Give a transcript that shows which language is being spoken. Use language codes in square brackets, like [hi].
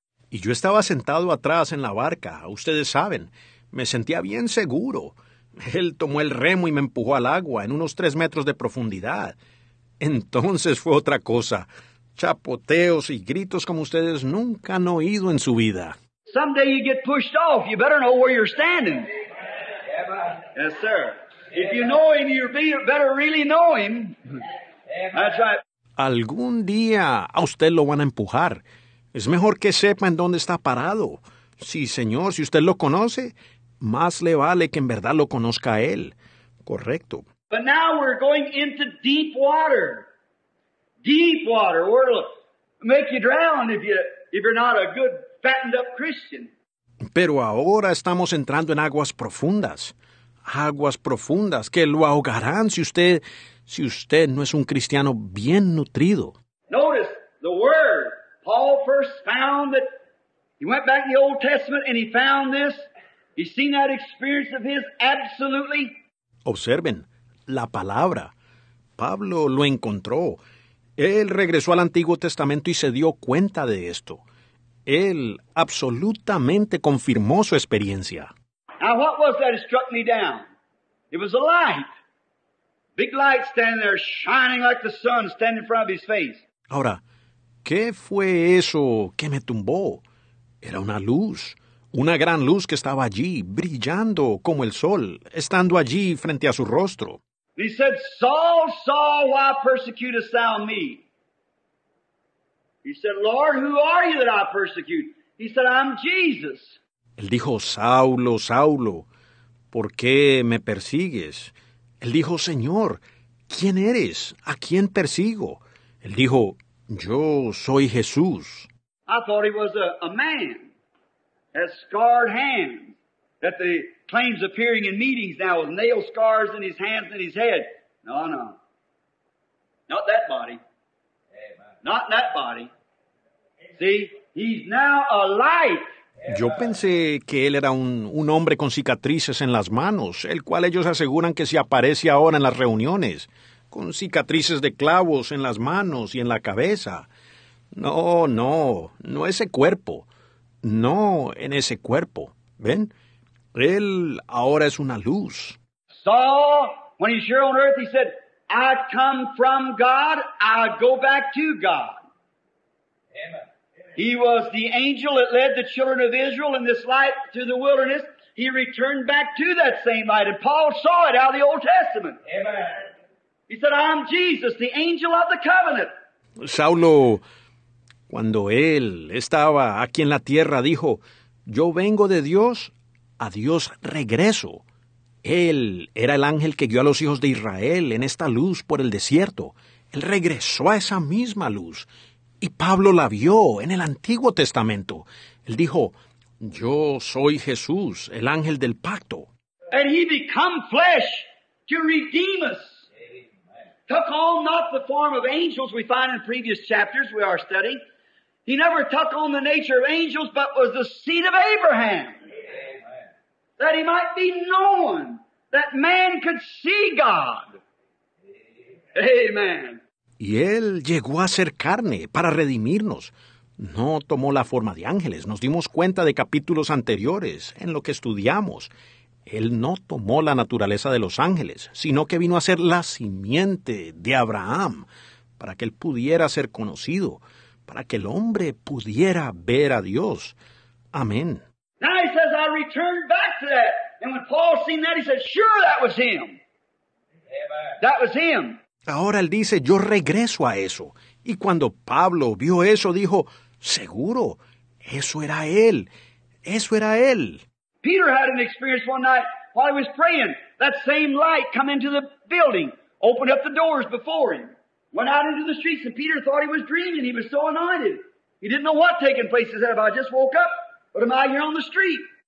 [es] Y yo estaba sentado atrás en la barca. Ustedes saben, me sentía bien seguro. Él tomó el remo y me empujó al agua en unos 3 metros de profundidad. Entonces fue otra cosa. Chapoteos y gritos como ustedes nunca han oído en su vida. [en] Someday you get pushed off. You better know where you're standing. Amen. Yes, sir. Amen. If you know him, you better really know him. Amen. That's right. [es] Algún día a usted lo van a empujar. Es mejor que sepa en dónde está parado. Sí, señor, si usted lo conoce, más le vale que en verdad lo conozca a él. Correcto. [en] But now we're going into deep water. Deep water, where it'll make you drown if you're not a good, fattened up Christian. [es] Pero ahora estamos entrando en aguas profundas. Aguas profundas que lo ahogarán si usted no es un cristiano bien nutrido. [en] Notice the word. Paul first found that he went back in the Old Testament and he found this. He's seen that experience of his absolutely. [es] Observen, la palabra. Pablo lo encontró. Él regresó al Antiguo Testamento y se dio cuenta de esto. Él absolutamente confirmó su experiencia. [en] Now what was that struck me down? It was a light. Big light standing there, shining like the sun, standing in front of his face. [es] Ahora, ¿qué fue eso que me tumbó? Era una luz, una gran luz que estaba allí, brillando como el sol, estando allí frente a su rostro. [en] He said, Saul, Saul, why persecutest thou me? He said, Lord, who are you that I persecute? He said, I'm Jesus. [es] Él dijo, Saulo, Saulo, ¿por qué me persigues? Él dijo, Señor, ¿quién eres? ¿A quién persigo? Él dijo, yo soy Jesús. [en] I thought he was a man, a scarred hand, that the claims appearing in meetings now with nail scars in his hands and his head. No, no. Not that body. Amen. Not that body. See, he's now a light. [es] Yo pensé que él era un hombre con cicatrices en las manos, el cual ellos aseguran que se aparece ahora en las reuniones, con cicatrices de clavos en las manos y en la cabeza. No, no, no ese cuerpo. No en ese cuerpo. ¿Ven? Él ahora es una luz. [en] Saul, when he's here on earth, he said, I come from God, I go back to God. He was the angel that led the children of Israel in this light to the wilderness. He returned back to that same light. And Paul saw it out of the Old Testament. Amen. He said, I'm Jesus, the angel of the covenant. [es] Saulo, cuando él estaba aquí en la tierra, dijo, yo vengo de Dios, a Dios regreso. Él era el ángel que guió a los hijos de Israel en esta luz por el desierto. Él regresó a esa misma luz. Y Pablo la vio en el Antiguo Testamento. Él dijo, yo soy Jesús, el ángel del pacto. [en] And he became flesh to redeem us. Amen. Took on not the form of angels we find in previous chapters we are studying. He never took on the nature of angels, but was the seed of Abraham. Amen. That he might be known, that man could see God. Amen. [es] Y él llegó a ser carne para redimirnos. No tomó la forma de ángeles. Nos dimos cuenta de capítulos anteriores en lo que estudiamos. Él no tomó la naturaleza de los ángeles, sino que vino a ser la simiente de Abraham para que él pudiera ser conocido, para que el hombre pudiera ver a Dios. Amén. [en] Now he says, I returned back to that. And when Paul seen that, he said, sure, that was him. Amen. That was him. [es] Ahora él dice, yo regreso a eso. Y cuando Pablo vio eso, dijo, seguro, eso era él. Eso era él. [en] Peter had an experience one night while he was praying. That same light come into the building, opened up the doors before him, went out into the streets, and Peter thought he was dreaming. He was so anointed. He didn't know what taking place is that about. I just woke up. What am I here on the street?